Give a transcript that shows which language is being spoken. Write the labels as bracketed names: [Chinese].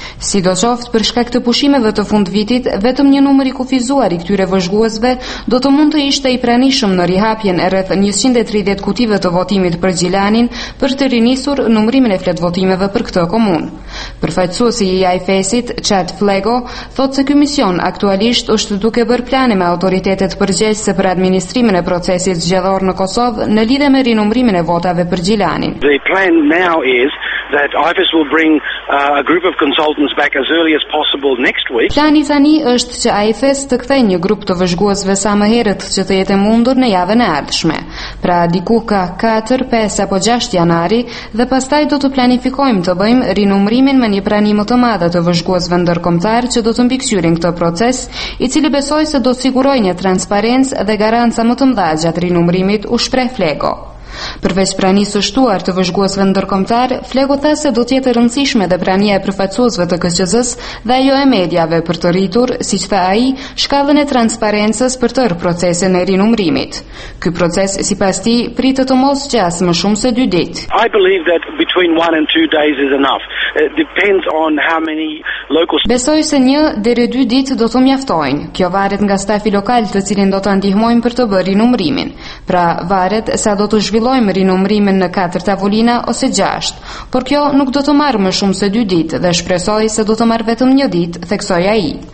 [Albanian] Sidoqoftë, për shkak të pushimeve të fund vitit, vetëm një numër i kufizuar i këtyre vëzhguesve do të mund të ishte i pranishëm në rihapjen e rreth 130 kutive të votimit për Gjilanin për të rinisur numërimin e flet votimeve për këtë komunë. Përfaqësuesi i AIFES-it, Chad Flego, thotë se ky mision aktualisht është duke bërë plane me autoritetet përgjegjëse për administrimin e procesit zgjedhor në Kosovë në lidhje me rinumërimin e votave për Gjilanin. [English] The plan now is that IFES will bring a group of consultants back as early as possible next week. [Albanian] Plani tani është që IFES të kthejë një grup të vëzhguesve sa më herët që të jetë mundur në javën e ardhshme. Pra diku ka 4, 5 apo 6 janari dhe pastaj do të planifikojmë të bëjmë rinumërimin me një prani më të madhe të vëzhguesve ndërkombëtar që do të mbikëqyrin këtë proces, i cili besoj se do të sigurojë një transparencë dhe garancë më të mëdha gjatë rinumërimit, u shpreh Flego. Përveç pranisë së shtuar të vëzhguesve ndërkombëtar, Flego tha se do të jetë e rëndësishme dhe prania e përfaqësuesve të KSQZ-s dhe ajo e mediave për të rritur, siç tha ai, shkallën e transparencës për tërë procesin e rinumërimit. Ky proces, sipas tij, pritet të mos gjasë më shumë se 2 ditë. [English] I believe that between 1 and 2 days is enough. It depends on how many local. [Albanian] Besoj se 1 deri 2 ditë do të mjaftojnë. Kjo varet nga stafi lokal të cilin do ta ndihmojmë për të bërë rinumërimin. Pra, varet sa do të zhvillojmë rinumërimin në 4 tavolina ose 6, por kjo nuk do të marrë më shumë se 2 ditë dhe shpresoj se do të marrë vetëm 1 ditë, theksoi ai.